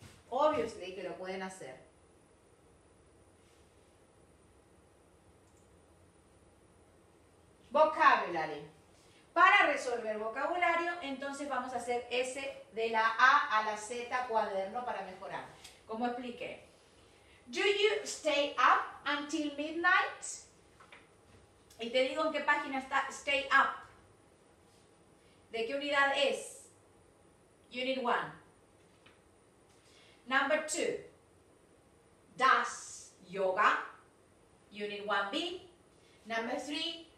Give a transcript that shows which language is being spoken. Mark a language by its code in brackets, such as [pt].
[es] Obviamente que lo pueden hacer. [en] Vocabulary. [es] Para resolver vocabulario, entonces vamos a hacer ese de la A a la Z cuaderno para mejorar. Como expliqué, [en] do you stay up until midnight? [es] Y te digo en qué página está stay up. ¿De qué unidad es? [en] Unit 1. Number 2. Does yoga? Unit 1B. Number 3.